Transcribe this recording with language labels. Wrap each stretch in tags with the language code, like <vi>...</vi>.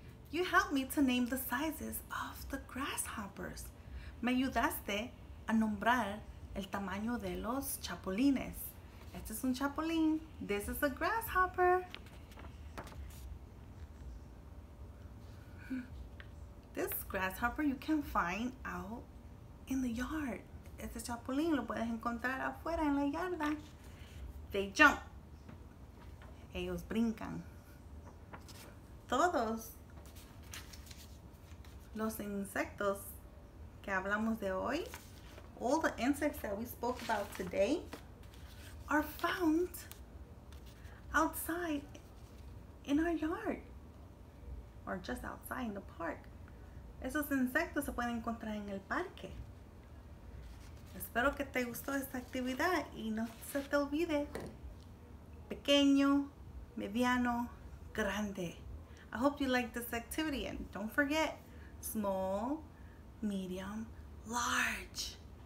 <en>You helped me to name the sizes of the grasshoppers.</en> <es>Me ayudaste a nombrar el tamaño de los chapulines. Este es un chapulín.</es> <en>This is a grasshopper. This grasshopper you can find out in the yard.</en> <es>Este chapulín lo puedes encontrar afuera en la yarda.</es> <en>They jump.</en> <es>Ellos brincan. Todos los insectos que hablamos de hoy,</es> <en>all the insects that we spoke about today, are found outside in our yard or just outside in the park.</en> <es>Esos insectos se pueden encontrar en el parque. Espero que te gustó esta actividad y no se te olvide. Pequeño, mediano, grande.</es> <en>I hope you like this activity and don't forget, small, medium, large.</en>